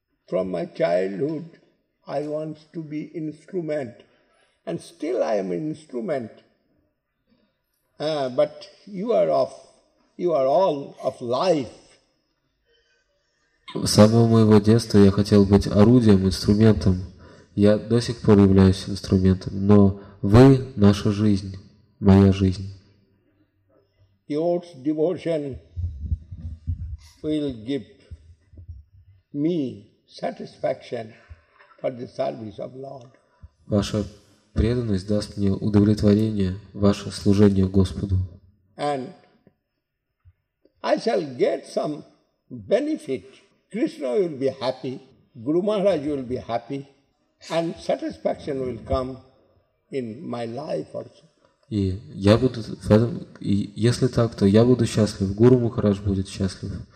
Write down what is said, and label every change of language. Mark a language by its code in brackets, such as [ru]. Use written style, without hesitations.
[en] From my childhood, I want to be instrument, and still I am an instrument. But you are all of life. [ru] С самого моего детства я хотел быть орудием, инструментом. Я до сих пор являюсь инструментом. Но вы — наша жизнь, моя жизнь. [en] Your devotion will give me satisfaction. For the service of Lord. [ru] Ваша преданность даст мне удовлетворение, ваше служение Господу. [en] And I shall get some benefit. Krishna will be happy, Guru Maharaj will be happy, and satisfaction will come in my life also. [ru] И я буду в этом, и если так, то я буду счастлив, Гуру Махарадж будет счастлив,